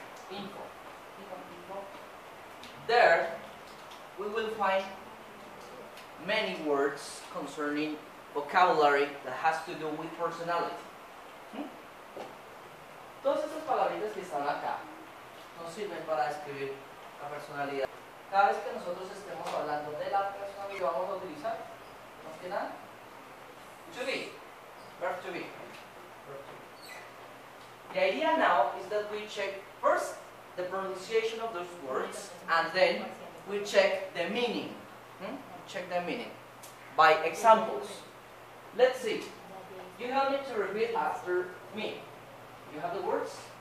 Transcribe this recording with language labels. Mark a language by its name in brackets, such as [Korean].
[English] Info. There, we will find many words concerning vocabulary that has to do with personality. [Spanish] Todas esas palabritas que están acá nos sirven para describir la personalidad. Cada vez que nosotros estemos hablando de la personalidad, vamos a utilizar, más que nada, [English] to be, verb to be. The idea now is that we check first the pronunciation of those words, and then we check the meaning. Check the meaning by examples. Let's see. You help me to repeat after me. You have the words?